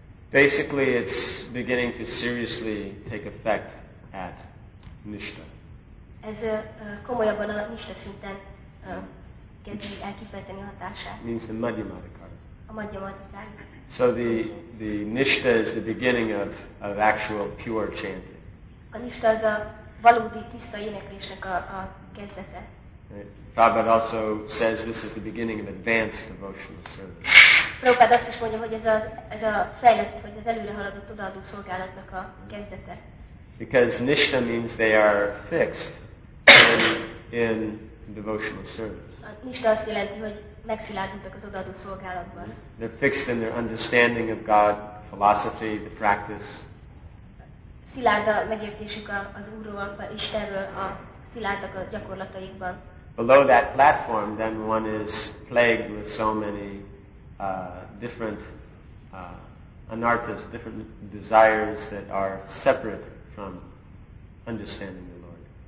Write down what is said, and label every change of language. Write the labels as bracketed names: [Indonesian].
[English] Basically, it's beginning to seriously take effect at Nishta. [Hungarian] Ez komolyabban a Nishta szinten kezdi elkifejteni hatását. [English] Means the Madhyamadikar. [Hungarian] A Madhyamadikar. [English] So the Nishta is the beginning of actual pure chanting. [Hungarian] A Nishta az a valódi tiszta éneklésnek a kezdete. [English] Prabhupada also says this is the beginning of advanced devotional service. [Hungarian] Prabhupada azt is mondja, hogy ez a fejlett, vagy az előre haladott odaadó szolgálatnak a kezdete. [English] Because nishta means they are fixed in devotional service. [Hungarian] Nishta azt jelenti, hogy megszilárdultak az odaadó szolgálatban. [English] They're fixed in their understanding of God, philosophy, the practice. [Hungarian] Szilárd a megértésük az Úrról, Istenről, a szilárdak a gyakorlataikban. [English] Below that platform, then one is plagued with so many different anarthas, different desires that are separate from understanding the Lord.